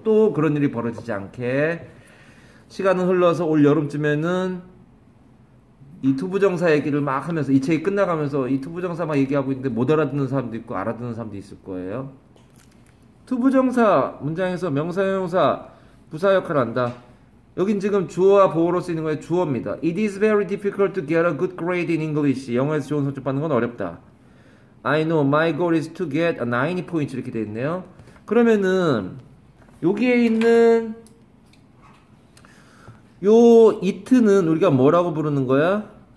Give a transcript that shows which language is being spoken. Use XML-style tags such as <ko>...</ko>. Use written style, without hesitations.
<ko>또 그런 일이 벌어지지 않게. 시간은 흘러서 올 여름쯤에는 이 투부정사 얘기를 막 하면서 이 책이 끝나가면서 이 투부정사 막 얘기하고 있는데 못 알아듣는 사람도 있고 알아듣는 사람도 있을 거예요. 투부정사 문장에서 명사형용사 부사 역할을 한다. 여긴 지금 주어와 보어로 쓰이는 거예요. 주어입니다.</ko> <en>It is very difficult to get a good grade in English.</en> <ko>영어에서 좋은 성적 받는 건 어렵다.</ko> <en>I know my goal is to get a 90 points</en> <ko>이렇게 되어 있네요. 그러면은 여기에 있는 요 it는 우리가 뭐라고 부르는 거야?</ko>